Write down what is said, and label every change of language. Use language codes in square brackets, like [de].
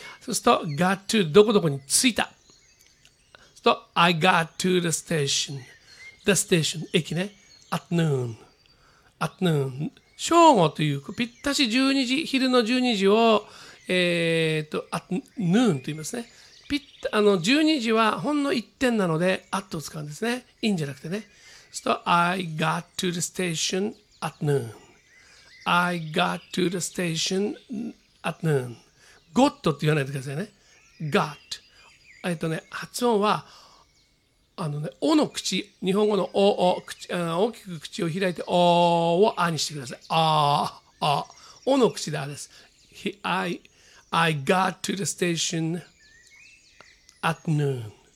[ja] そうすると got to どこどこに着いた。そうすると [en] I got to the station、 [ja] the station 駅ね、 [en] at noon、 [ja] at noon 正午というぴったし12時、昼の12時をat noon と言いますね。 12時はほんの一点なので at を使うんですね。 in じゃなくてね。そうすると [en] I got to the station at noon、 I got to the station at noon。 [ja] got って言わないでくださいね。got、発音はおの口、日本語のおお口、大きく口を開いておをあにしてください。あおの口であれです。 [en] I got to the station at noon.